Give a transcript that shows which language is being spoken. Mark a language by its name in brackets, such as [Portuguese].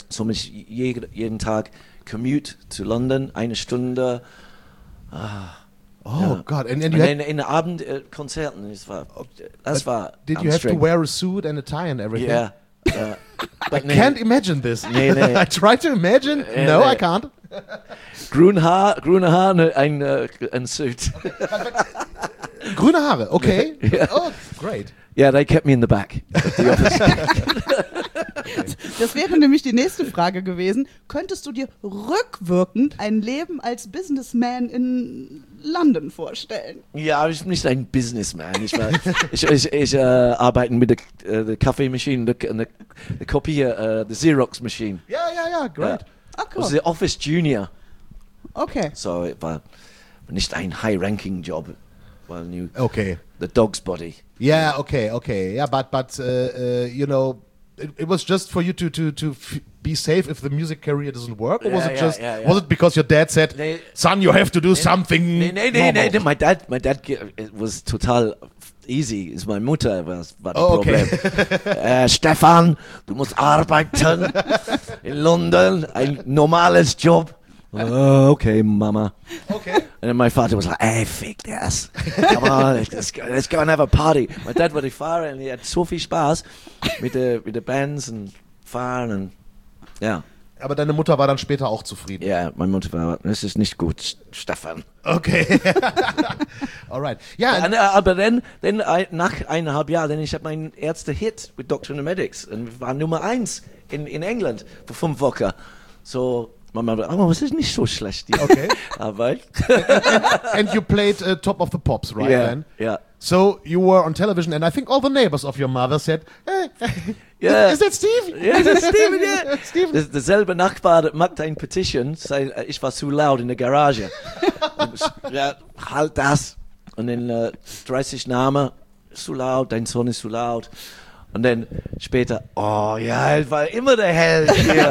[German] So muss ich jeden Tag [English] commute to London, [German] eine Stunde. [English] God. [German] In den Abend Konzerten. [English] Did you have to wear a suit and a tie and everything? Yeah. I can't imagine this. [German] Nee. [English] I try to imagine. No, I can't. [German] Grüne Haare, ein Suit. Grüne Haare, okay. [English] Yeah. Oh, great. Yeah, they kept me in the back. [German] Das wäre nämlich die nächste Frage gewesen. Könntest du dir rückwirkend ein Leben als Businessman in London vorstellen? Ja, ich bin nicht ein Businessman. Ich arbeite mit der Kaffeemaschine, der Kopier, der Xerox-Maschine. Ja, great. [English] Ah, cool. [German] Das ist der Office Junior. Okay. So, es war nicht ein High-Ranking-Job. Okay. [English] The dog's body. Yeah, okay. Yeah, but you know, it was just for you to be safe if the music career doesn't work? Or was it was it because your dad said, son, you have to do something? Nee, my dad, it was total easy. It's my mutter, war the problem. Okay. [German] Stefan, du musst arbeiten in London, ein normales Job. Okay, Mama. Okay. [English] And then my father was like, hey, [German] fick das. [English] Come on, let's go and have a party. My dad would be fahren and he had [German] so viel Spaß mit [English] the bands and fahren and, yeah. [German] Aber deine Mutter war dann später auch zufrieden. Ja, yeah, meine Mutter war, das ist nicht gut, Stefan. Okay. Alright. Ja. Aber dann nach eineinhalb Jahren, dann ich habe meinen ersten Hit mit Doctor and the Medics und war Nummer 1 in England für 5 Wochen. So, Mama, aber es ist nicht so schlecht. Hier. Okay. Aber [English] and you played Top of the Pops, right? Yeah, then? Yeah. So you were on television, and I think all the neighbors of your mother said, hey, yeah. Is that Steve? Yeah, is that Steve? Yeah. Steve. [German] Derselbe Nachbar macht ein Petition, sei ich war zu laut in der Garage. Ja, halt das. Und dann 30 Namen, zu laut, dein Sohn ist zu laut. Und dann später, oh ja, ich war immer der Held hier.